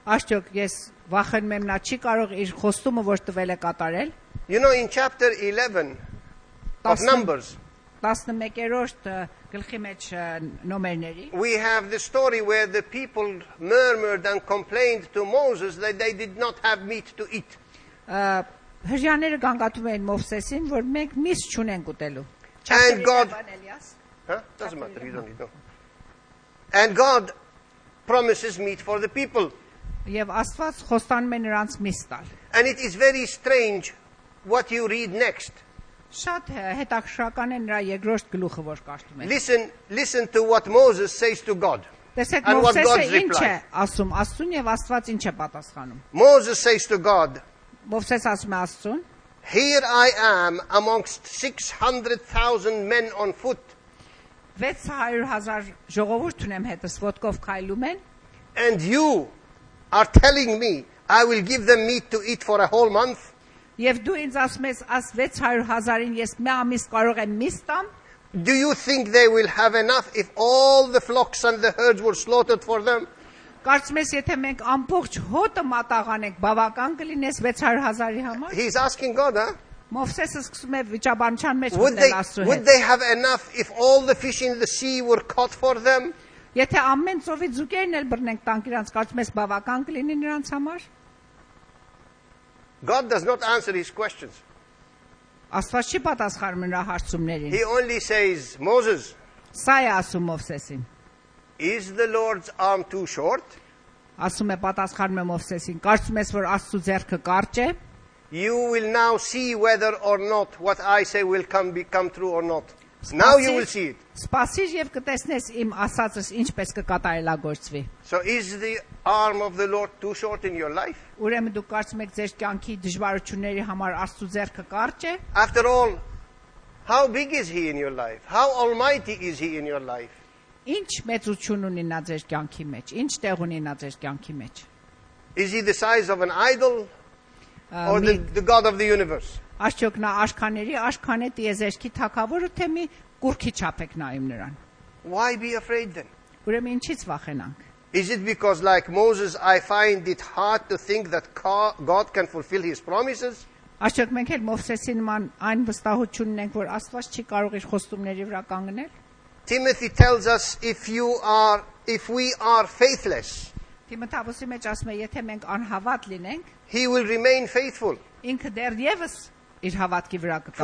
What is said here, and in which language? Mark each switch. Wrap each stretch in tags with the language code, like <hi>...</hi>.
<en>You know, in chapter 11 of Numbers, we have the story where the people murmured and complained to Moses that they did not have meat to eat.</en> <hy>Հրյաները գանգատում էին Մովսեսին, որ մենք միս չունենք ուտելու։</hy> <en>And God, doesn't matter, you don't need And God promises meat for the people.</en> <hy>Եվ Աստված խոստանում է նրանց միս տալ։</hy> <en>And it is very strange what you read next.</en> <hy>Շատ հետաքրական է նրա երկրորդ գլուխը, որ կարդում ենք։</hy> <en>Listen to what Moses says to God.</en> <hy>Տեսեք Մովսեսը ինչ է ասում Աստծուն եւ Աստված ինչ է պատասխանում։</hy> <en>Moses says to God, Here I am amongst 600,000 men on foot.</en> <hy>600,000 ժողովուրդ ունեմ հետս ոտկով քայլում են.</hy> <en>And you are telling me I will give them meat to eat for a whole month?</en> <hy>Եվ դու ինձ ասում ես, ας 600,000-ին ես մի ամիս կարող եմ միս տամ?</hy> <en>Do you think they will have enough if all the flocks and the herds were slaughtered for them?</en> <hy>Կարծում ես, եթե մենք ամբողջ հոտը մատաղանենք, բավական կլինես 600,000-ի համար։</hy> <en>He's asking God, huh?</en> <hy>Մովսեսը սկսում է վիճաբանության մեջ գտնել Աստծուն։</hy> <en>Would they have enough if all the fish in the sea were caught for them?</en> <hy>Եթե ամեն ծովի ձուկերն էլ բռնենք տանք իրանց, կարծում ես բավական կլինի նրանց համար։</hy> <en>God does not answer his questions.</en> <hy>Աստված չի պատասխանում նրա հարցումներին։</hy> <en>He only says, Moses.</en> <hy>Սա է ասում Մովսեսին։</hy> <en>Is the Lord's arm too short?</en> <hy>Ասում է պատասխանում Մովսեսին, կարծում ես որ Աստծո ձեռքը կարճ է?</hy> <en>You will now see whether or not what I say will come true or not. Now you will see it.</en> <hy>Սպասիր եւ կտեսնես իմ ասածս ինչպես կկատարելա գործվի.</hy> <en>So is the arm of the Lord too short in your life?</en> <hy>Ուրեմն դու կարծում ես ձեր կյանքի դժվարությունների համար Աստծո ձեռքը կարճ է?</hy> <en>After all, how big is he in your life? How almighty is he in your life?</en> <hy>Ինչ մեծություն ունի նա ձեր կյանքի մեջ։ Ինչ տեղ ունի նա ձեր կյանքի մեջ։</hy> <en>Is he the size of an idol or the god of the universe?</en> <hy>Աշխոք նա աշխաների աշխան է, տիեզերքի թակավորը թե մի կուրքի չափ եք նայում նրան։</hy> <en>Why be afraid then?</en> <hy>Ուրեմն ինչից վախենանք։</hy> <en>Is it because, like Moses, I find it hard to think that God can fulfill his promises?</en> <hy>Աշխատ մենք էլ Մովսեսին ման այն վստահությունն ենք, որ Աստված չի կարող իր խոստումների վրա կանգնել.</hy> <en>Timothy tells us if we are faithless.</en> <hy>Թիմոթեոսի մեջ ասում է, եթե մենք անհավատ լինենք,</hy> <en>he will remain faithful.</en> <hy>Ինքը դեռևս իր հավատքի վրա կկանգնի.</hy>